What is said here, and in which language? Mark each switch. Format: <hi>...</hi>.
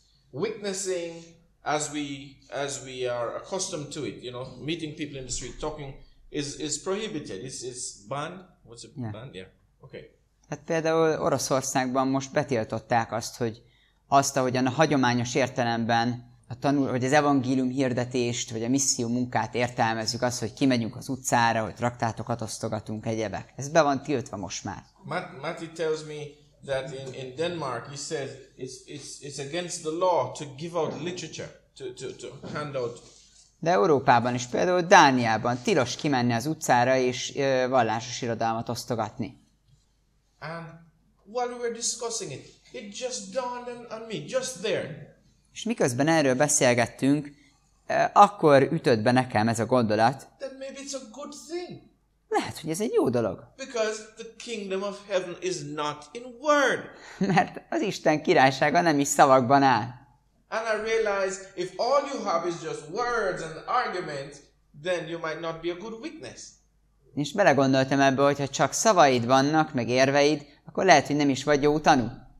<en>Witnessing as we are accustomed to it, you know, meeting people in the street, talking is prohibited. It's banned. What's it banned? Yeah. Okay.</en> <hu>Hát például Oroszországban most betiltották azt, hogy azt, ahogyan a hagyományos értelemben vagy az evangélium hirdetést, vagy a misszió munkát értelmezzük, az, hogy kimegyünk az utcára, hogy traktátokat osztogatunk, egyebek. Ez be van tiltva most már.</hu> <en>Matti tells me that in Denmark he says it's against the law to give out literature, to hand out.</en> <hu>De Európában is, például Dániában tilos kimenni az utcára és vallásos irodalmat osztogatni.</hu> <en>And while we were discussing it, it just dawned on me, just there.</en> <hu>És miközben erről beszélgettünk, akkor ütött be nekem ez a gondolat.</hu> <en>Then maybe it's a good thing.</en> <hu>Lehet, hogy ez egy jó dolog.</hu> <en>Because the kingdom of heaven is not in word.</en> <hu>Mert az Isten királysága nem is szavakban áll.</hu> <en>And I realize if all you have is just words and arguments, then you might not be a good witness.</en> <hu>És belegondoltam ebbe, hogyha csak szavaid vannak, meg érveid, akkor lehet, hogy nem is vagy jó tanú.</hu>